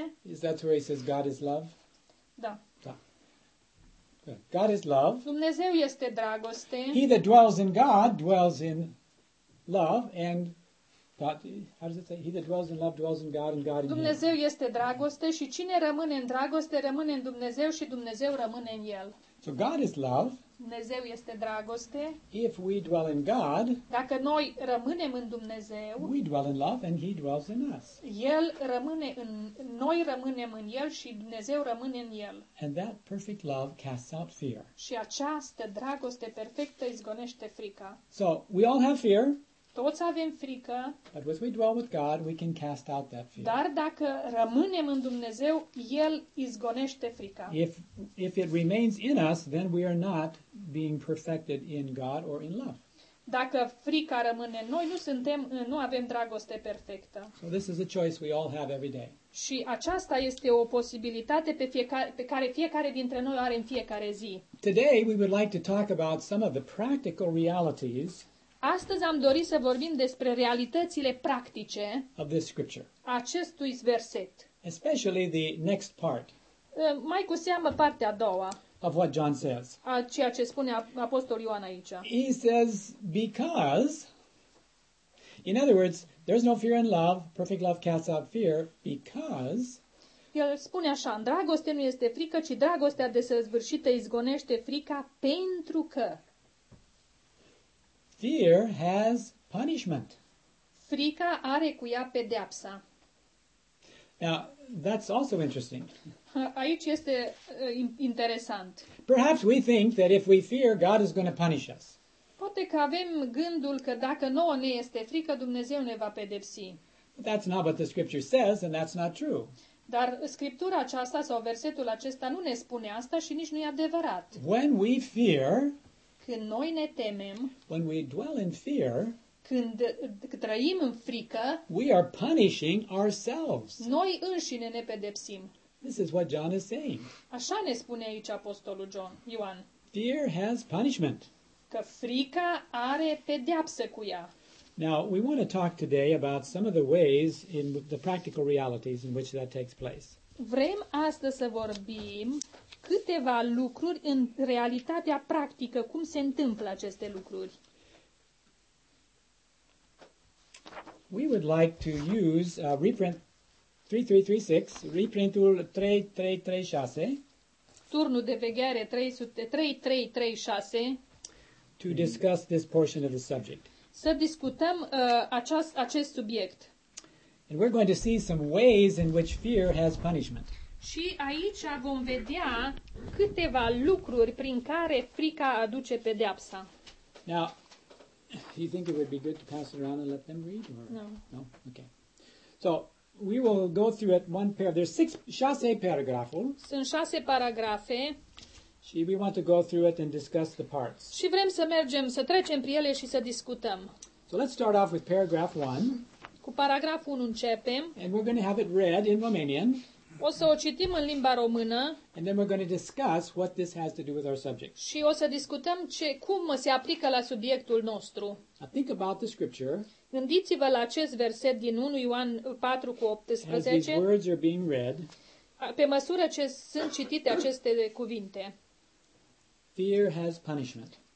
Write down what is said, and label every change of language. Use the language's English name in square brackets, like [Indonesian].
[English] is that where he says God is love? [Romanian] Da. [English] Da. Good. God is love. [Romanian] Dumnezeu este dragoste. [English] He that dwells in God dwells in love, and God, how does it say? He that dwells in love dwells in God, and God in him. [Romanian] Dumnezeu este dragoste și cine rămâne în dragoste rămâne în Dumnezeu și Dumnezeu rămâne în el. [English] So God is love. [Romanian] Dumnezeu este dragoste. [English] If we dwell in God, [Romanian] dacă noi rămânem în Dumnezeu, [English] we dwell in love and he dwells in us. [Romanian] El rămâne în noi, rămânem în el și Dumnezeu rămâne în el. [English] And that perfect love casts out fear. [Romanian] Și această dragoste perfectă izgonește frica. [English] So we all have fear. [Romanian] Toți avem frică. [English] But if we dwell with God, we can cast out that fear. [Romanian] Dar dacă rămânem în Dumnezeu, el izgonește frica. [English] If it remains in us, then we are not being perfected in God or in love. [Romanian] Dacă frica rămâne în noi, nu avem dragoste perfectă. [English] So this is a choice we all have every day. [Romanian] Și aceasta este o posibilitate pe care fiecare dintre noi o are în fiecare zi. [English] Today we would like to talk about some of the practical realities. [Romanian] Astăzi am dorit să vorbim despre realitățile practice [English] of this scripture, [Romanian] acestui verset. [English] Especially the next part. [Romanian] Mai cu seamă partea a doua. [English] Of what John says. [Romanian] A ceea ce spune apostolul Ioan aici. [English] He says because, in other words, there's no fear in love, perfect love casts out fear, because [Romanian] el spune așa, în dragoste nu este frică, ci dragostea desăvârșită izgonește frica pentru că [English] fear has punishment. [Romanian] Frica are cu ea pedeapsa. [English] Now, that's also interesting. [Romanian] Aici este interesant. [English] Perhaps we think that if we fear, God is going to punish us. [Romanian] Poate că avem gândul că dacă nouă ne este frică, Dumnezeu ne va pedepsi. [English] But that's not what the scripture says, and that's not true. [Romanian] Dar scriptura aceasta sau versetul acesta nu ne spune asta și nici nu e adevărat. [English] When we fear, [Romanian] când noi ne temem, [English] when we dwell in fear, [Romanian] când trăim în frică, [English] we are punishing ourselves. [Romanian] Noi înșine ne pedepsim. [English] This is what John is saying. [Romanian] Așa ne spune aici apostolul John, Ioan. [English] Fear has punishment. [Romanian] Că frica are pedeapsă cu ea. [English] Now, we want to talk today about some of the ways in the practical realities in which that takes place. [Romanian] Vrem astăzi să vorbim câteva lucruri în realitatea practică, cum se întâmplă aceste lucruri. [English] We would like to use reprint 3336, [Romanian] reprintul 3336, turnul de veghere 3336, [English] to discuss this portion of the subject. [Romanian] Să discutăm acest subiect. [English] And we're going to see some ways in which fear has punishment. [Romanian] Și aici vom vedea câteva lucruri prin care frica aduce pedeapsa. [English] Now, do you think it would be good to pass it around and let them read? Or? No. No? Okay. So, we will go through it one pair. There's 6 [Romanian] paragraful. Sunt 6 paragrafe. Și [English] we want to go through it and discuss the parts. [Romanian] Și vrem să mergem, să trecem prin ele și să discutăm. [English] So, let's start off with paragraph 1. [Romanian] Cu paragraful 1 începem. [English] And we're going to have it read in Romanian. [Romanian] O să o citim în limba română. [English] And then we're going to discuss what this has to do with our subject. [Romanian] Și o să discutăm cum se aplică la subiectul nostru. [English] Now think about the scripture. [Romanian] Gândiți-vă la acest verset din 1 Ioan 4:18. [English] As these words are being read, [Romanian] pe măsură ce sunt citite aceste cuvinte. [English] Fear has punishment.